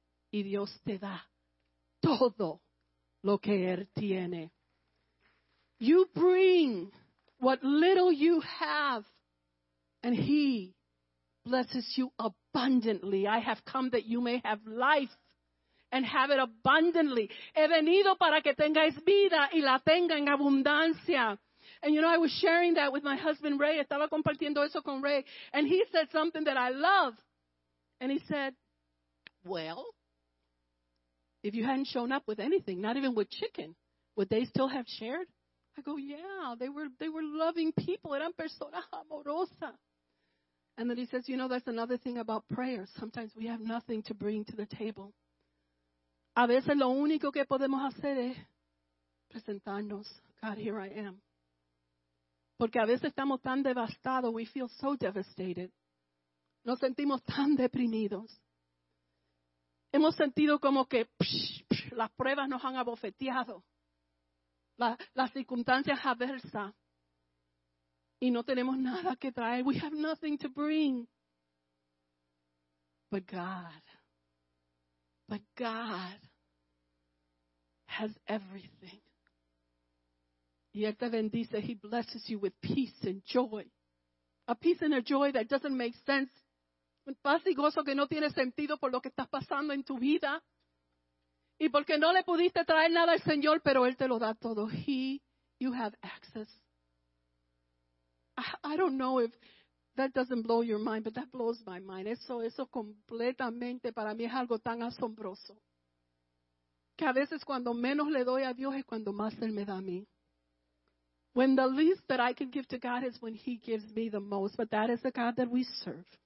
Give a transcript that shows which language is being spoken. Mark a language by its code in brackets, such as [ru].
[es] Y Dios te da todo lo que Él tiene. [en] You bring what little you have, and He blesses you abundantly. I have come that you may have life and have it abundantly. [es] He venido para que tengáis vida y la tenga en abundancia. [en] And you know, I was sharing that with my husband, Ray. [es] Estaba compartiendo eso con Ray. [en] And he said something that I love. And he said, well, if you hadn't shown up with anything, not even with chicken, would they still have shared? I go, yeah, they were loving people. [es] Eran personas amorosas. [en] And then he says, you know, that's another thing about prayer. Sometimes we have nothing to bring to the table. [es] A veces lo único que podemos hacer es presentarnos. [en] God, here I am. [es] Porque a veces estamos tan devastados, [en] we feel so devastated. [es] Nos sentimos tan deprimidos. Hemos sentido como que las pruebas nos han abofeteado. Las circunstancias adversas. Y no tenemos nada que traer. [en] We have nothing to bring. But God has everything. [es] Y Él te bendice, [en] He blesses you with peace and joy. A peace and a joy that doesn't make sense. [es] Un paz y gozo que no tiene sentido por lo que estás pasando en tu vida. Y porque no le pudiste traer nada al Señor, pero Él te lo da todo. [en] He, you have access. I don't know if that doesn't blow your mind, but that blows my mind. [es] Eso completamente para mí es algo tan asombroso. Que a veces cuando menos le doy a Dios es cuando más Él me da a mí. [en] When the least that I can give to God is when He gives me the most. But that is the God that we serve.